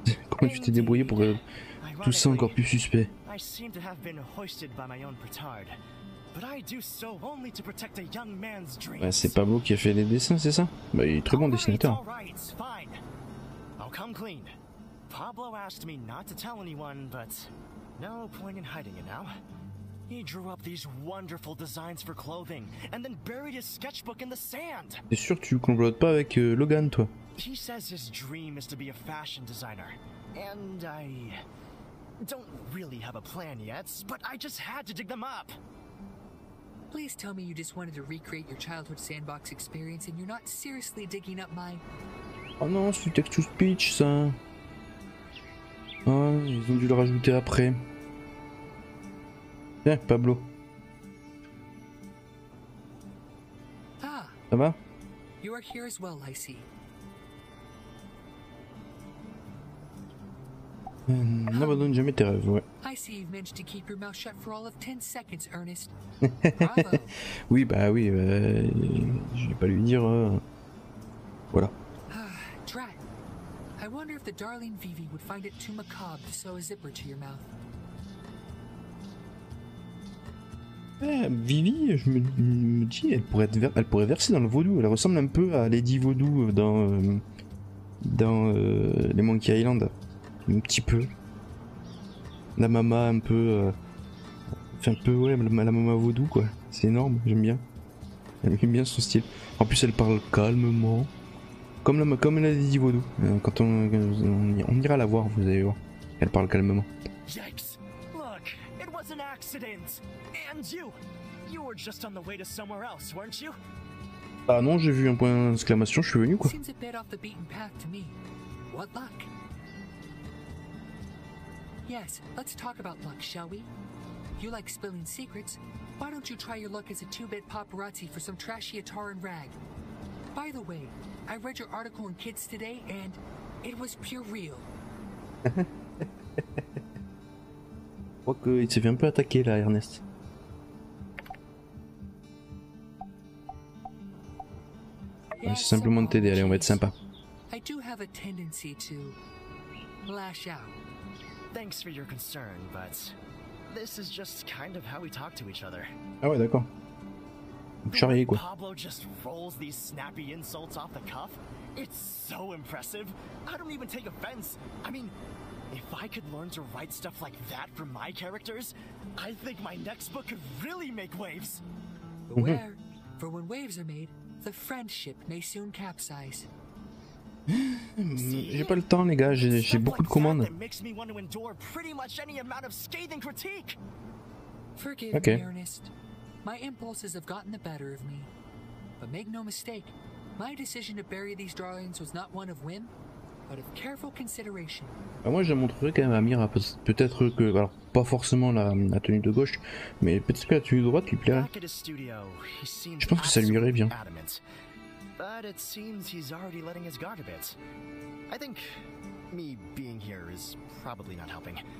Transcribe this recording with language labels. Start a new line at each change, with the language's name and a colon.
French: Comment tu t'es débrouillé pour tout ça encore plus suspect?
English: I seem to have been hoisted by my own petard, but I do so only to protect a young man's dreams.
French: Bah, c'est Pablo qui a fait les dessins, c'est ça? Bah, il est très bon dessinateur.
English: All right, fine. I'll come clean. Pablo asked me not to tell anyone, but no point in hiding it now. He drew up these wonderful designs for clothing and then buried his sketchbook in the sand.
French: T'es sûr que tu complotes pas avec Logan, toi?
English: He says his dream is to be a fashion designer, and I don't really have a plan yet, but I just had to dig them up. Please tell me you just wanted to recreate your childhood sandbox experience and you're not seriously digging up my...
French: Oh non, c'est du text to speech ça. Ah, ils ont dû le rajouter après. Tiens, Pablo. Ah. Ça va?
English: You are here as well, I see.
French: N'abandonne jamais tes rêves, ouais.
English: I see you've managed to keep your mouth shut for all of 10 seconds, Ernest. Bravo.
French: Oui, bah oui, je vais pas lui dire. Voilà.
English: Drat, I wonder if the darling Vivi would find it too macabre to sew a zipper to your mouth.
French: Vivi, je me dis, elle pourrait verser dans le vaudou. Elle ressemble un peu à Lady Vaudou dans les Monkey Island. Un petit peu. La mama un peu... la mama vaudou quoi. C'est énorme, j'aime bien. J'aime bien son style. En plus elle parle calmement. Comme elle a dit vaudou. Quand on ira la voir, vous allez voir. Elle parle calmement.
English: Yikes. Look, it was an accident. And you were just on the way to somewhere else, weren't you?
French: Ah non, j'ai vu un point d'exclamation, je suis venu quoi.
English: Seems a bit off the beaten path to me. What luck? Yes, let's talk about luck, shall we? You like spilling secrets. Why don't you try your luck as a two-bit paparazzi for some trashy attar and rag? By the way, I read your article in Kids Today, and it was pure real.
French: Je crois qu'il s'est fait un peu attaquer là, Ernest. Yeah, c'est simplement de t'aider, allez, on va être sympa.
English: I do have a tendency to lash out. Thanks for your concern, but this is just kind of how we talk to each other.
French: Ah ouais, d'accord. Charrier quoi.
English: Pablo just rolls these snappy insults off the cuff. It's so impressive. I don't even take offense. I mean, if I could learn to write stuff like that for my characters, I think my next book could really make waves. Beware, for when waves are made, the friendship may soon capsize.
French: J'ai pas le temps les gars, j'ai beaucoup de commandes. Ok.
English: Forgive me, Ernest. My impulses have gotten the better of me. But make no mistake, my decision to bury these drawings was not one of whim, but of careful consideration.
French: Bah moi je la montrerai quand même à Mira, peut-être que, alors pas forcément la tenue de gauche, mais peut-être que la tenue de droite lui plairait. Je pense que ça lui irait bien.
English: But it seems he's already letting his guard a bit. I think me being here is probably not helping.